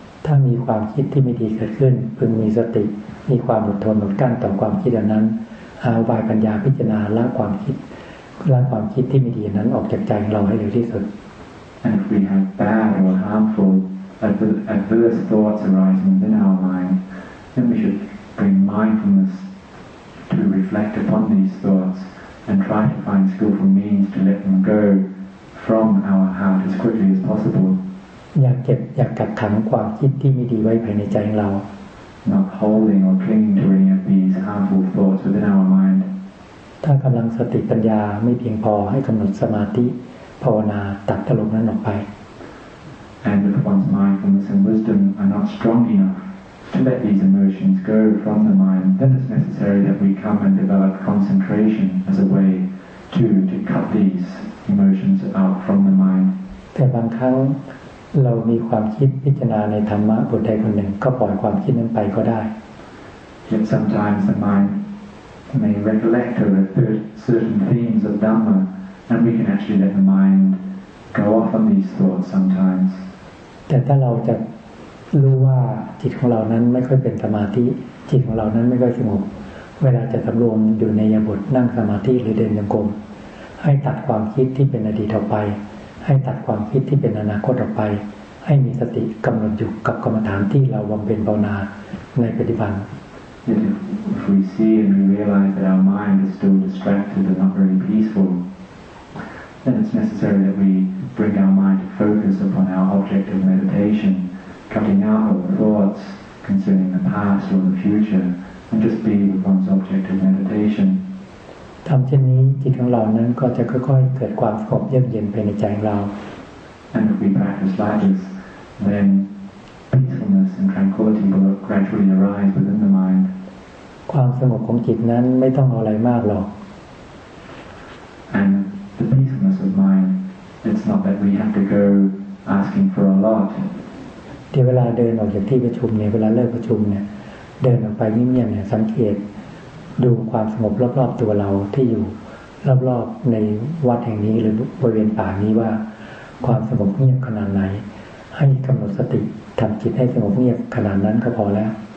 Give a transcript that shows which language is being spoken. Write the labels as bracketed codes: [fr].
[th] ถ้ามีความคิดที่ไม่ดีเกิดขึ้นพึงมีสติมีความอดทนอดกั้นต่อความคิดนั้นอาวายปัญญาพิจารณาละความคิดละความคิดที่ไม่ดีนั้นออกจากใจเราให้เร็วที่สุด [en] And if we have bad or harmful adverse thoughts arising within our mind then we should bring mindfulness to reflect upon these thoughts and try to find skillful means to let them go from our heart as quickly as possible [th] อย่าเก็บอย่ากักขังความคิดที่ไม่ดีไว้ภายในใจเรา [en] Not holding or clinging to any of these harmful thoughts within our mind [th] ถ้ากำลังสติปัญญาไม่เพียงพอให้กำหนดสมาธิภาวนาตัดตลกนั้นออกไป [en] And if one's mindfulness and wisdom are not strong enough to let these emotions go from the mind, then it's necessary that we come and develop concentration as a way to cut these emotions out from the mind. [th] แต่บางครั้งเรามีความคิดพิจารณาในธรรมะบทใดคนหนึ่งก็ปล่อยความคิดนั้นไปก็ได้ [en] Yet sometimes the mindMay recollect over certain themes of Dhamma, and we can actually let the mind go off on these thoughts sometimes. [th] แต่ถ้าเราจะรู้ว่าจิตของเรานั้นไม่ค่อยเป็นสมาธิจิตของเรานั้นไม่ค่อยสงบเวลาจะสำรวมอยู่ในยามบทนั่งสมาธิหรือเดินจงกรมให้ตัดความคิดที่เป็นอดีตออกไปให้ตัดความคิดที่เป็นอนาคตออกไปให้มีสติกำหนดอยู่กับกรรมฐานที่เราบำเพ็ญภาวนาในปัจจุบัน [en] If we see and we realize that our mind is still distracted and not very peaceful, then it's necessary that we bring our mind to focus upon our object of meditation, cutting out all thoughts concerning the past or the future, and just be with one's object of meditation. [th] ทำเช่นนี้จิตของเรานั้นก็จะค่อยๆเกิดความสงบเยือกเย็นภายในใจเรา [en] And if we practice like this, then peacefulness and tranquility will gradually arise within the mind. [th] ความสงบของจิตนั้นไม่ต้องเอาอะไรมากหรอก [en] And the peacefulness of mind it's not that we have to go asking for a lot [th] ที่เวลาเดินออกจากที่ประชุมเนี่ยเวลาเลิกประชุมเนี่ยเดินออกไปเงียบๆเนี่ยสังเกตดูความสงบรอบๆตัวเราที่อยู่รอบๆในวัดแห่งนี้หรือบริเวณป่านี้ว่าความสงบเงียบขนาดไหนให้กำหนดสติทำจิตให้สงบเงียบขนาดนั้นก็พอแล้ว